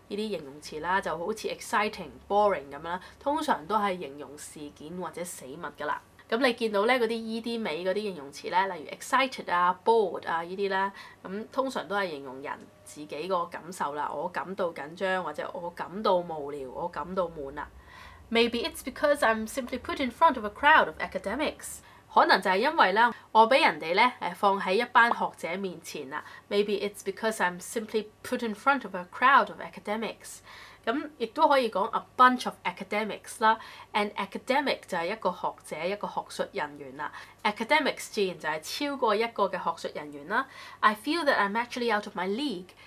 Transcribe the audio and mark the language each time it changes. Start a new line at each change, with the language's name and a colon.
Cantonese: 呢啲形容詞啦，就好似 exciting、boring 咁樣啦，通常都係形容事件或者死物噶啦。咁你見到咧嗰啲 ed 尾嗰啲形容詞咧，例如 excited 啊、bored 啊呢啲咧，咁通常都係形容人自己個感受啦。我感到緊張，或者我感到無聊，我感到悶啦。
English: Maybe it's because I'm simply put in front of a crowd of academics.
Cantonese: 可能就係因為咧，我俾人哋咧放喺一班學者面前啦。
English: Maybe it's because I'm simply put in front of a crowd of academics.
Cantonese: 咁亦都可以講
English: a bunch of academics
Cantonese: 啦 ，an academic 就係一個學者一個學術人員啦 ，academics 自然就係超過一個嘅學術人員啦。
English: I feel that I'm actually out of my league。